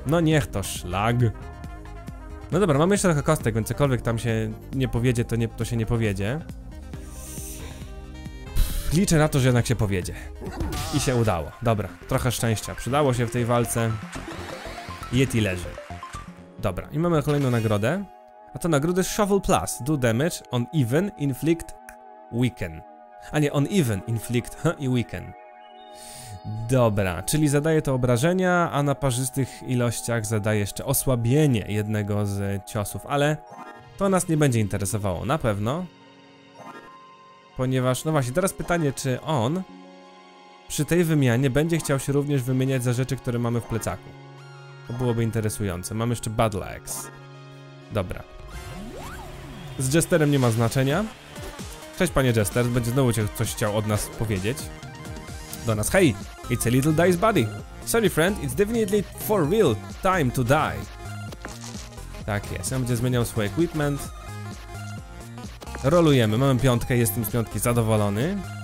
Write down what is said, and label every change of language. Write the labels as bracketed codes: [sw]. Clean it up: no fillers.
[pl] No niech to szlag. No dobra, mamy jeszcze trochę kostek, więc cokolwiek tam się nie powiedzie, to się nie powiedzie. Liczę na to, że jednak się powiedzie. I się udało. Dobra, trochę szczęścia. Przydało się w tej walce. Yeti leży. Dobra, i mamy kolejną nagrodę. A to nagrody Shovel Plus. [en] Do damage, on even, inflict, weaken. [pl] A nie, [en] on even, inflict i weaken. [pl] Dobra, czyli zadaje to obrażenia, a na parzystych ilościach zadaje jeszcze osłabienie jednego z ciosów. Ale to nas nie będzie interesowało, na pewno. Ponieważ, no właśnie, teraz pytanie, czy on przy tej wymianie będzie chciał się również wymieniać za rzeczy, które mamy w plecaku. To byłoby interesujące. Mamy jeszcze Battle Axe. Dobra. Z Jesterem nie ma znaczenia. Cześć, panie Jester. Będzie znowu coś chciał od nas powiedzieć. Do nas. [en] Hey, it's a little dice buddy. Sorry, friend, it's definitely for real time to die. [pl] Tak jest. On będzie zmieniał swój equipment. Rolujemy, mamy piątkę, jestem z piątki zadowolony.